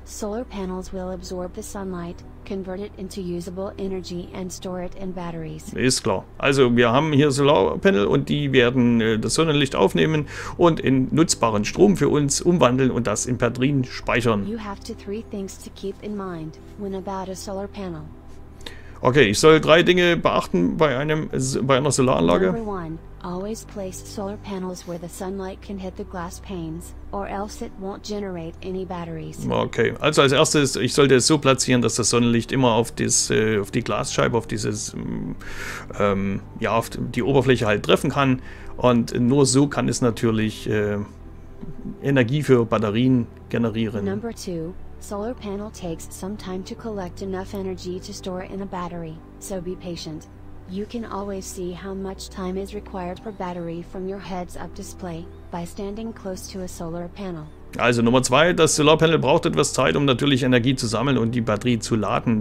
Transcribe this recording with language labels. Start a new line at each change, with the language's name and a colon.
English: Solar panels will absorb the sunlight, convert it into usable energy and store it in batteries.
German: Ist klar. Also wir haben hier Solarpanel und die werden das Sonnenlicht aufnehmen und in nutzbaren Strom für uns umwandeln und das in Batterien speichern.
English: You have to three things to keep in mind when about a solar panel.
German: Okay, ich soll drei Dinge beachten bei einer Solaranlage.
English: Number one, always place solar panels where the sunlight can hit the glass panes, or else it won't generate any batteries.
German: Okay, also als erstes, ich sollte es so platzieren, dass das Sonnenlicht immer auf die Glasscheibe, auf dieses auf die Oberfläche halt treffen kann. Und nur so kann es natürlich Energie für Batterien generieren.
English: Number two. Solar panel takes some time to collect enough energy to store in a battery, so be patient. You can always see how much time is required per battery from your heads-up display by standing close to a solar panel.
German: Also Nummer zwei, das Solarpanel braucht etwas Zeit, um natürlich Energie zu sammeln und die Batterie zu laden.